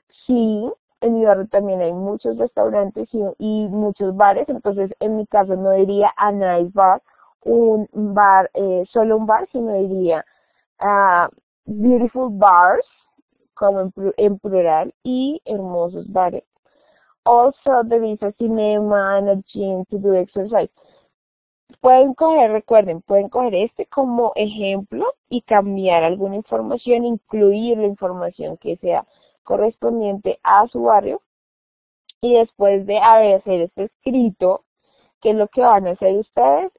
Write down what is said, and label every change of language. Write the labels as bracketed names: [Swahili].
[Spanish] Sí, en mi barrio también hay muchos restaurantes y muchos bares. Entonces, en mi caso no diría [English] a nice bar, [Spanish] un bar, solo un bar, sino diría [English] a beautiful bars, [Spanish] como en plural, y hermosos bares. [English] Also, there is a cinema and a gym to do exercise. [Spanish] Pueden coger este como ejemplo y cambiar alguna información, incluir la información que sea correspondiente a su barrio. Y después de hacer este escrito, ¿qué es lo que van a hacer ustedes?